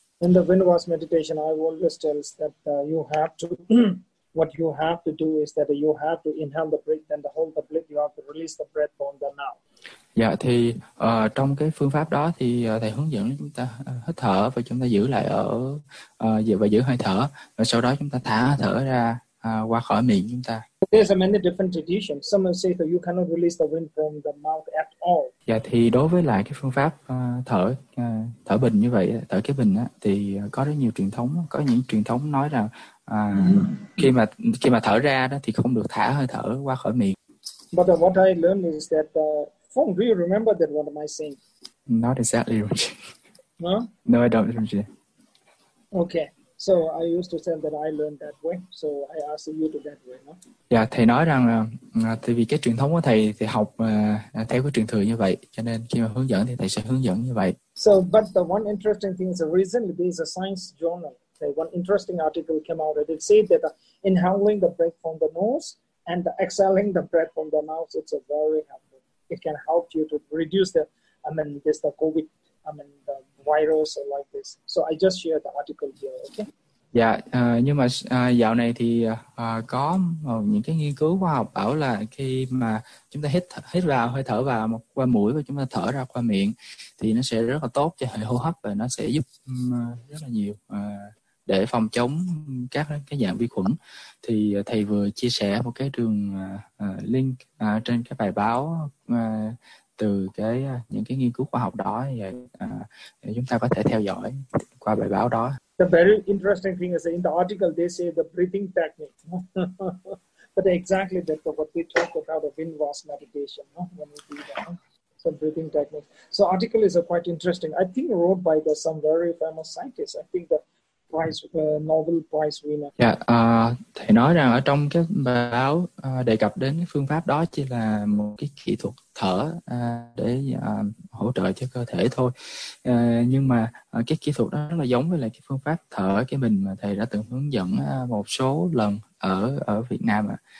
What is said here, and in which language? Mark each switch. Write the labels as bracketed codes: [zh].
[en] In the wind wash meditation, I always tell that you have to what you have to do is that you have to inhale the breath and hold the breath. You have to release the breath from the mouth. [vi] Dạ thì trong cái phương pháp đó thì thầy hướng dẫn chúng ta hít thở và chúng ta giữ lại ở và giữ hơi thở, và sau đó chúng ta thả thở ra qua khỏi miệng chúng ta. [en] There's many different traditions. Some will say that you cannot release the wind from the mouth at all. [vi] Dạ thì đối với lại cái phương pháp thở thở bình như vậy, thở cái bình á, thì có rất nhiều truyền thống, có những truyền thống nói rằng khi mà thở ra đó thì không được thả hơi thở qua khỏi miệng. [en] But what I learned is that Phong, do you remember that what am I saying? Not exactly. Huh? No, I don't remember. Okay, so I used to say that I learned that way, so I asked you to that way, no? [vi] Dạ, thầy nói rằng tại vì cái truyền thống của thầy thì học theo cái truyền thừa như vậy, cho nên khi mà hướng dẫn thì thầy sẽ hướng dẫn như vậy. [en] So, but the one interesting thing is recently there is a science journal. Okay, one interesting article came out and it said that inhaling the breath from the nose and exhaling the breath from the mouth, it's a very helpful. It can help you to reduce the, I mean, this the COVID, I mean, the virus or like this. So I just share the article here, okay? [vi] Dạ, nhưng mà dạo này thì có một, những cái nghiên cứu khoa học bảo là khi mà chúng ta hít vào hơi thở vào một qua mũi và chúng ta thở ra qua miệng thì nó sẽ rất là tốt cho hệ hô hấp và nó sẽ giúp rất là nhiều để phòng chống các cái dạng vi khuẩn. Thì thầy vừa chia sẻ một cái đường link trên cái bài báo từ cái những cái nghiên cứu khoa học đó để chúng ta có thể theo dõi qua bài báo đó. [en] The very interesting thing is in the article they say the breathing technique. But exactly that, what we talk about of inverse meditation, no? When we do that, no? Some breathing technique. So article is quite interesting. I think wrote by some very famous scientist. I think the prize, Nobel Prize winner. [vi] Yeah, thầy nói rằng ở trong cái báo đề cập đến cái phương pháp đó chỉ là một cái kỹ thuật thở để hỗ trợ cho cơ thể thôi. Nhưng mà cái kỹ thuật đó là giống với lại cái phương pháp thở cái mình mà thầy đã từng hướng dẫn một số lần ở Việt Nam ạ.